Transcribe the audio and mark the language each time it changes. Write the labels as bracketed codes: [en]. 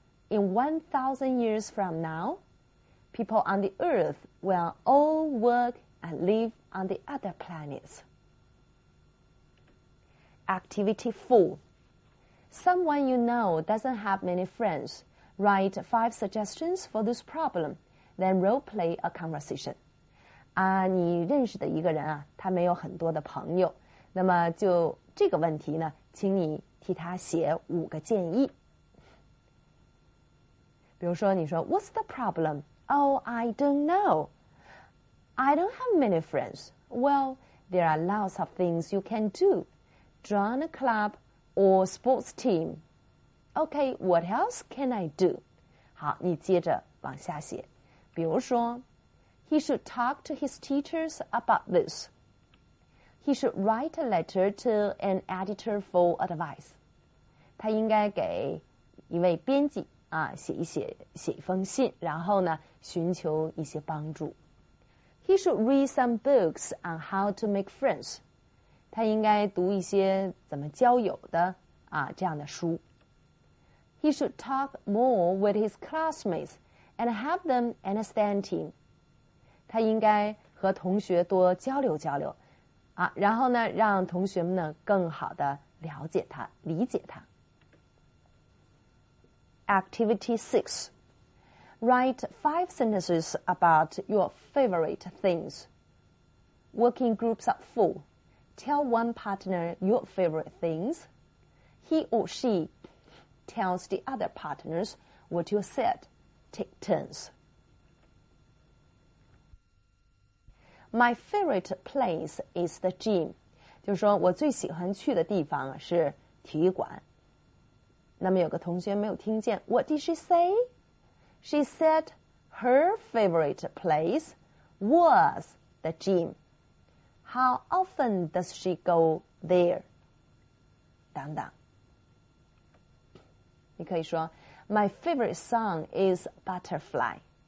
[en] In 1,000 years from now,People on the earth will all work and live on the other planets. Activity 4. Someone you know doesn't have many friends. Write 5 suggestions for this problem, then role-play a conversation. [zh] 啊，你认识的一个人啊，他没有很多的朋友，那么就这个问题呢，请你替他写五个建议。比如说你说 [en] What's the problem? Oh, I don't know. I don't have many friends. Well, there are lots of things you can do. Join a club or sports team. Okay, what else can I do? [zh] 好，你接着往下写。比如说 [en] He should talk to his teachers about this. He should write a letter to an editor for advice. [zh] 他应该给一位编辑啊，写一封信，然后呢，寻求一些帮助。 [en] He should read some books on how to make friends. [zh] 他应该读一些怎么交友的啊这样的书。 [en] He should talk more with his classmates and have them understand him. [zh] 他应该和同学多交流交流啊，然后呢，让同学们呢更好的了解他，理解他。 [en] Activity 6. Write 5 sentences about your favorite things. Working groups of 4. Tell one partner your favorite things. He or she tells the other partners what you said. Take turns. My favorite place is the gym. [zh] 就是说我最喜欢去的地方是体育馆。那么有个同学没有听见 [en] What did she say? She said her favorite place was the gym. How often does she go there? [zh] 等等。你可以说 [en] My favorite song is Butterfly.